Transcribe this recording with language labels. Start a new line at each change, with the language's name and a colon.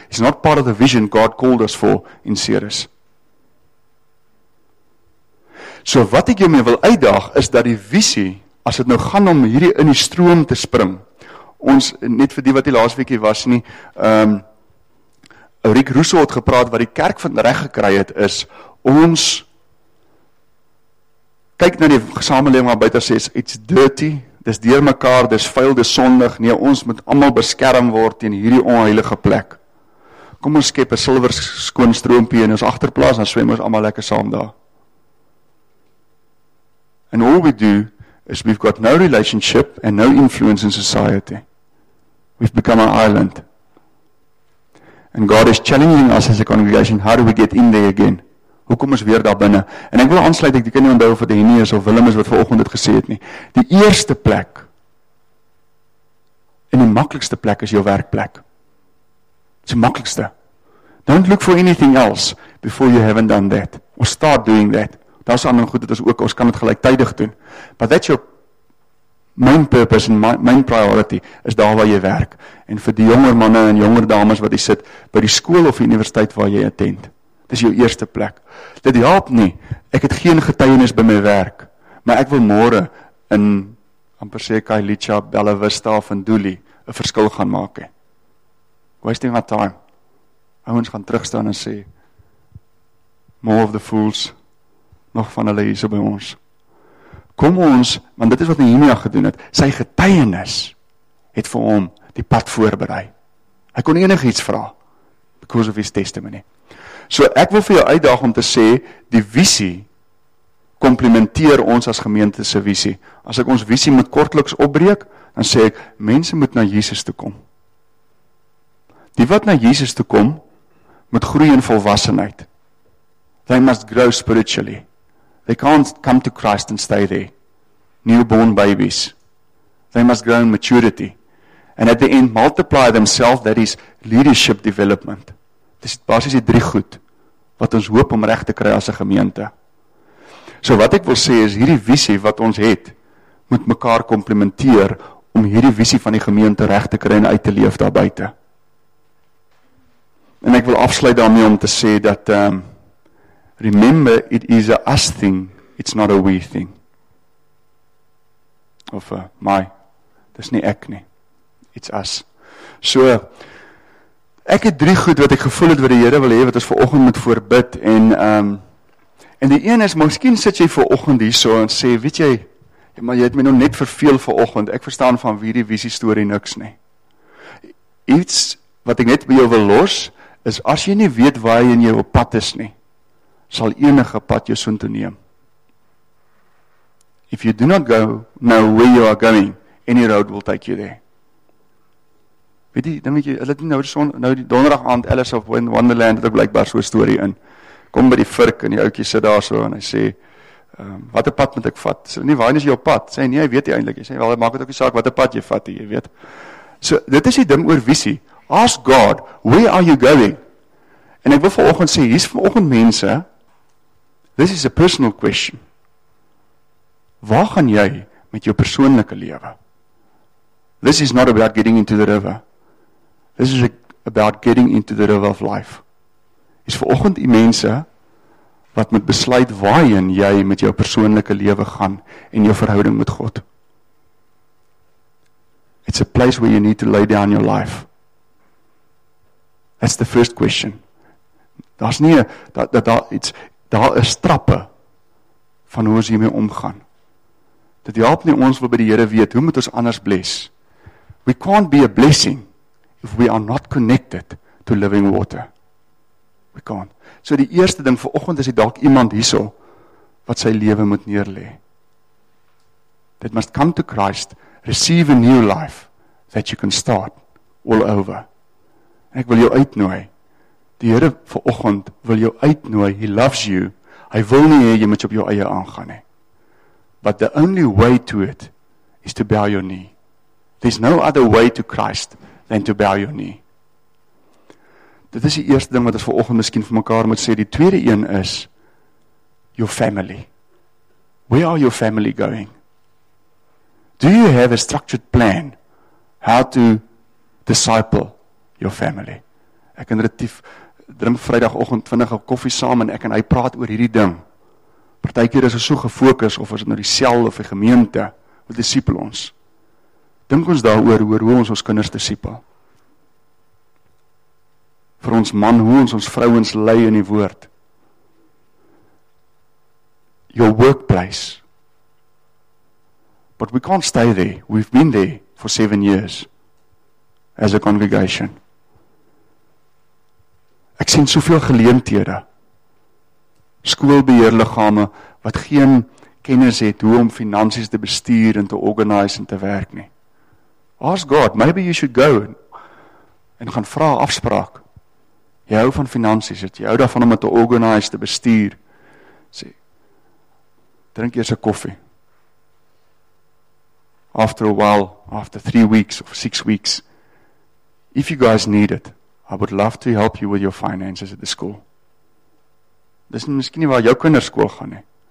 English: It's not part of the vision God called us for in series.
Afrikaans: So wat ek jou mee wil uitdaag, is dat die visie, as het nou gaan om hierdie in die stroom te spring, ons, net vir die wat die laaste weekie was nie, Rick Russo het gepraat, wat die kerk van reg gekry het, is, ons, kyk na die samelewing waar buiten sê,
English: it's dirty,
Afrikaans: dis deur mekaar, dis vuil, dis sondig. Nee, ons moet allemaal beskerm word teen hierdie onheilige plek. Kom ons skep 'n silwer skoon stroompie in ons agterplaas, dan swem ons allemaal lekker saam daar.
English: And all we do is we've got no relationship and no influence in society. We've become an island. And God is challenging us as a congregation, how do we get in there again?
Afrikaans: Hoe kom ons weer daar binne? En ek wil aansluit, ek kan nie onthou of dit Hennie is of Willem is wat vanoggend dit gesê het nie. Die eerste plek en die maklikste plek is jou werkplek. Dit is die maklikste.
English: Don't look for anything else before you haven't done that. Or start doing that.
Afrikaans: Daar is ander goed, dit is ook, ons kan dit gelyktydig doen.
English: But that's your main purpose and main priority is
Afrikaans: daar waar jy werk. En vir die jonger manne en jonger dames wat jy sit by die skool of die universiteit waar jy attend. Dis jou eerste plek. Dit help nie. Ek het geen getuienis by my werk. Maar ek wil môre in amper sê Kailicha, Bella Vista of in Dooley 'n verskil gaan maak.
English: Wasting my time.
Afrikaans: Ouens gaan terugstaan en sê
English: more of the fools
Afrikaans: nog van hulle hierso by ons. Kom ons, want dit is wat Nehemia gedoen het. Sy getuienis het vir hom die pad voorberei. Hy kon enigiets vra
English: because of his testimony.
Afrikaans: So ek wil vir jou uitdaag om te sê, die visie komplementeer ons as gemeente se visie. As ek ons visie moet kortliks opbreek, dan sê ek, mense moet na Jesus toe kom. Die wat na Jesus toe kom, moet groei in volwassenheid.
English: They must grow spiritually. They can't come to Christ and stay there. Newborn babies. They must grow in maturity. And at the end, multiply themselves, that is leadership development.
Afrikaans: Dis basis die drie goed wat ons hoop om reg te kry as 'n gemeente. So wat ek wil sê is hierdie visie wat ons het moet mekaar komplementeer om hierdie visie van die gemeente reg te kry en uit te leef daar buite. En ek wil afsluit daarmee om te sê dat
English: remember it is a us thing, it's not a we thing.
Afrikaans: Of my, dis nie ek nie.
English: It's us.
Afrikaans: So ek het drie goed wat ek gevoel het wat die Here wil hê wat ons vanoggend moet voorbid en die een is miskien sit jy vanoggend hierso en sê weet jy maar jy het my nou net verveel vanoggend. Ek verstaan van wie die visie storie niks nie. Iets wat ek net by jou wil los is as jy nie weet waar jy in jou pad is nie, sal enige pad jou soontoe neem.
English: If you do not go know where you are going, any road will take you there.
Afrikaans: Weet jy, dan weet jy, hulle het nou die son, nou die donderdag aand Alice of Wonderland, het ook blijkbaar so'n story in. Kom by die virk en die oukie sit daar so en hy sê, wat 'n pad moet ek vat? Sê, nie, waarin is jou pad? Sê, nee, hy weet jy eindelijk. Sê, wel, maak het ook die saak, wat 'n pad jy vat, jy weet. So, dit is die ding oor visie.
English: Ask God, where are you going?
Afrikaans: En ek wil vanoggend sê, hier is vanoggend mense,
English: this is a personal question.
Afrikaans: Waar gaan jy met jou persoonlike lewe?
English: This is not about getting into the river. This is about getting into the river of life.
Afrikaans: Is vanoggend die mense wat moet besluit waarheen jy met jou persoonlike lewe gaan en jou verhouding met God.
English: It's a place where you need to lay down your life. That's the first question.
Afrikaans: Daar's nie daar is trappe van hoe ons hiermee omgaan. Dit help nie ons wil by die Here weet hoe moet ons anders bless.
English: We can't be a blessing if we are not connected to living water. We can't.
Afrikaans: So die eerste ding vir oggend is dalk iemand hierso wat sy lewe moet neerlê.
English: That must come to Christ, receive a new life that you can start all over.
Afrikaans: En ek wil jou uitnooi. Die Here vir oggend wil jou uitnooi.
English: He loves you.
Afrikaans: Hy wil nie hê jy moet op jou eie aangaan nie.
English: But the only way to it is to bow your knee. There's no other way to Christ than to bow your knee.
Afrikaans: Dit is die eerste ding wat ons vanoggend miskien vir mekaar moet sê. Die tweede een is
English: your family. Where are your family going? Do you have a structured plan how to disciple your family?
Afrikaans: Ek en Retief drink Vrydagoggend vinnig 'n koffie saam en ek en hy praat oor hierdie ding. Partykeer is ons so gefokus of ons nou die sel of die gemeente wat disipel ons. Dink ons daaroor oor hoe ons kinders disipel. Vir ons man, hoe ons vrouens lei in die woord.
English: Your workplace. But we can't stay there. We've been there for 7 years as a congregation.
Afrikaans: Ek sien soveel geleenthede. Skoolbeheerliggame wat geen kennis het hoe om finansies te bestuur en te organise en te werk nie.
English: Ask God, maybe you should go
Afrikaans: en gaan vra afspraak. Jy hou van finansies, jy hou daarvan om het te organise, te bestuur. Sê, drink eers 'n koffie.
English: After a while, after 3 weeks of 6 weeks, if you guys need it, I would love to help you with your finances at the school.
Afrikaans: Dis nie miskien nie waar jou kinders skool gaan nie.